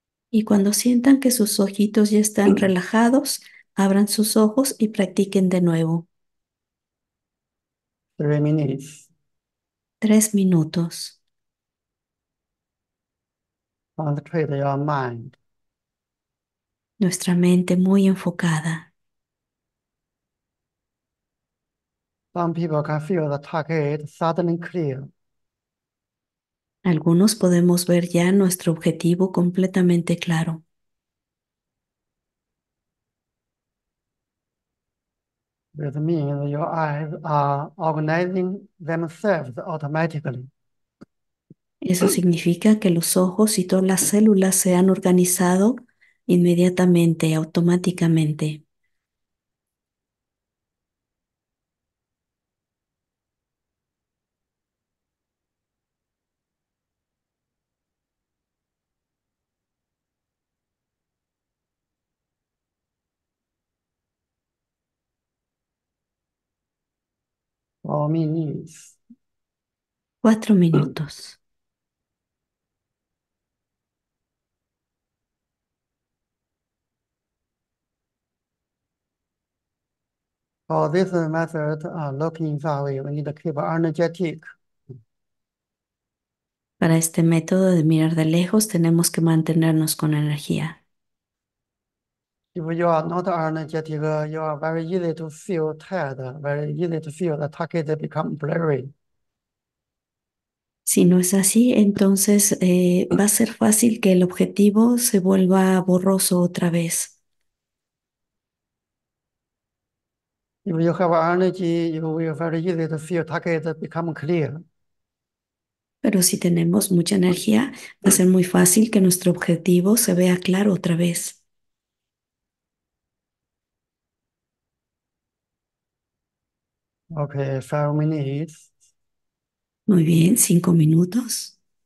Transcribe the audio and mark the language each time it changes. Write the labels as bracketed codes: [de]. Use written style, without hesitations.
[es] Y cuando sientan que sus ojitos ya están relajados, abran sus ojos y practiquen de nuevo. [en] 3 minutes. [es] 3 minutos. [en] Concentrate your mind. [es] Nuestra mente muy enfocada. [en] Some people can feel the target suddenly clear. [es] Algunos podemos ver ya nuestro objetivo completamente claro. [en] This means your eyes are organizing themselves automatically. [es] Eso significa que los ojos y todas las células se han organizado inmediatamente, automáticamente. All means. 4 minutos. [en] For this method, looking that way, we need to keep energetic. [es] Para este método de mirar de lejos, tenemos que mantenernos con energía. [en] If you are not energetic, you are very easy to feel tired, very easy to feel the target become blurry. [es] Si no es así, entonces va a ser fácil que el objetivo se vuelva borroso otra vez. [en] If you have energy, you will very easy to feel target become clear. [es] Pero si tenemos mucha energía, va a ser muy fácil que nuestro objetivo se vea claro otra vez. [en] Okay, 5 minutes. [es] Muy bien, 5 minutos.